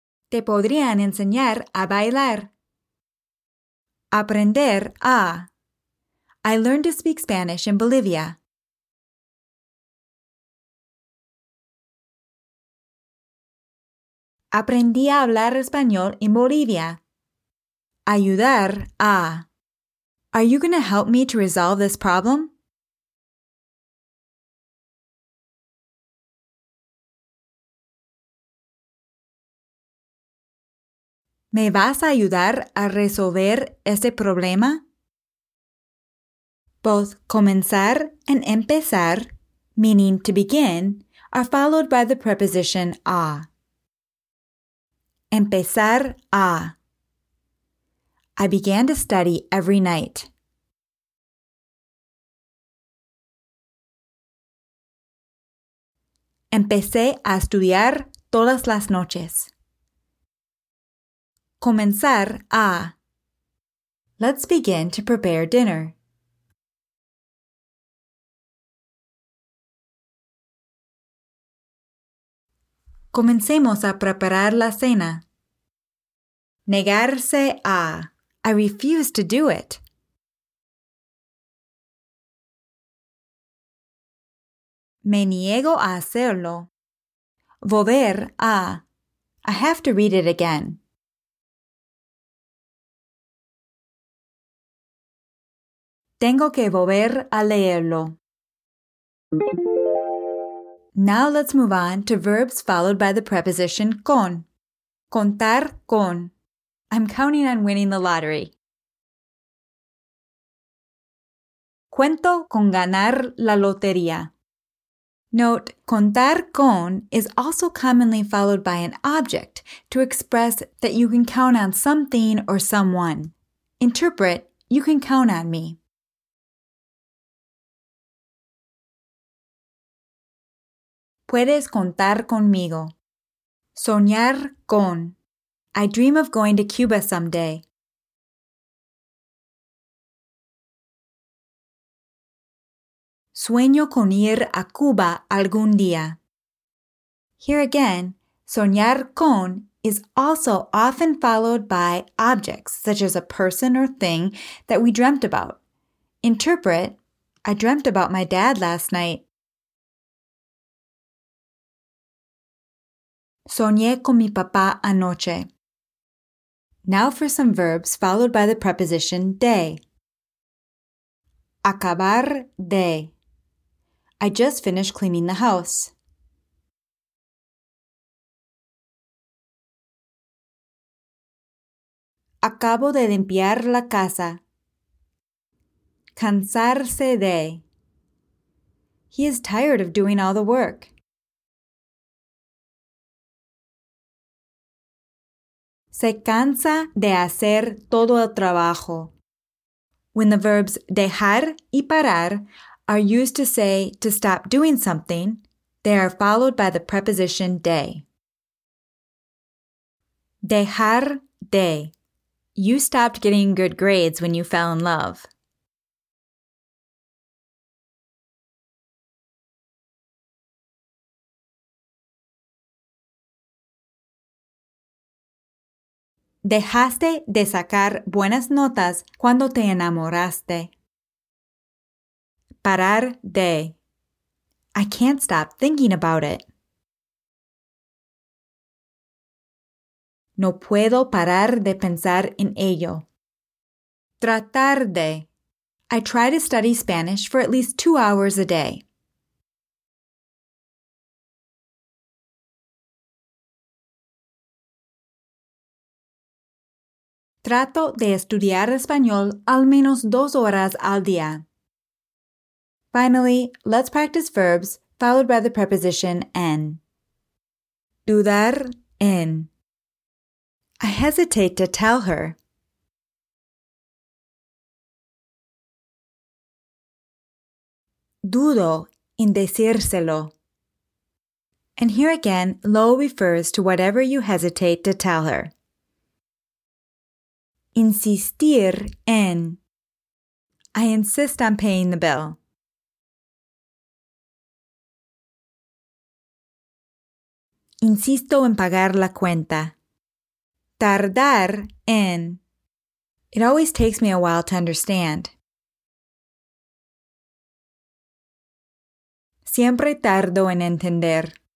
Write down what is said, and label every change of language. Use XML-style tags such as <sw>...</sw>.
<es>Te podrían enseñar a bailar. Aprender a.</es> <en>I learned to speak Spanish in Bolivia.</en> <es>Aprendí a hablar español en Bolivia. Ayudar a.</es> <en>Are you going to help me to resolve this problem?</en> <es>¿Me vas a ayudar a resolver este problema?</es> <en>Both comenzar and empezar, meaning to begin, are followed by the preposition a.</en> <es>Empezar a.</es> <en>I began to study every night.</en> <es>Empecé a estudiar todas las noches. Comenzar a.</es> <en>Let's begin to prepare dinner.</en> <es>Comencemos a preparar la cena. Negarse a.</es> <en>I refuse to do it.</en> <es>Me niego a hacerlo. Volver a.</es> <en>I have to read it again.</en> <es>Tengo que volver a leerlo.</es> <en>Now let's move on to verbs followed by the preposition con.</en> <es>Contar con.</es> <en>I'm counting on winning the lottery.</en> <es>Cuento con ganar la lotería.</es> <en>Note,</en> <es>contar con</es> <en>is also commonly followed by an object to express that you can count on something or someone. Interpret, you can count on me.</en> <es>Puedes contar conmigo. Soñar con.</es> <en>I dream of going to Cuba someday.</en> <es>Sueño con ir a Cuba algún día.</es> <en>Here again,</en> <es>soñar con</es> <en>is also often followed by objects, such as a person or thing that we dreamt about. Interpret, I dreamt about my dad last night.</en> <es>Soñé con mi papá anoche.</es> <en>Now for some verbs followed by the preposition de.</en> <es>Acabar de.</es> <en>I just finished cleaning the house.</en> <es>Acabo de limpiar la casa. Cansarse de.</es> <en>He is tired of doing all the work.</en> <es>Se cansa de hacer todo el trabajo.</es> <en>When the verbs</en> <es>dejar y parar</es> <en>are used to say to stop doing something, they are followed by the preposition de.</en> <es>Dejar de.</es> <en>You stopped getting good grades when you fell in love.</en> <es>Dejaste de sacar buenas notas cuando te enamoraste. Parar de.</es> <en>I can't stop thinking about it.</en> <es>No puedo parar de pensar en ello. Tratar de.</es> <en>I try to study Spanish for at least 2 hours a day.</en> <es>Trato de estudiar español al menos 2 horas al día.</es> <en>Finally, let's practice verbs followed by the preposition en.</en> <es>Dudar en.</es> <en>I hesitate to tell her.</en> <es>Dudo en decírselo.</es> <en>And here again, lo refers to whatever you hesitate to tell her.</en> <es>Insistir en.</es> <en>I insist on paying the bill.</en> <es>Insisto en pagar la cuenta. Tardar en.</es> <en>It always takes me a while to understand.</en> <es>Siempre tardo en entender.</es>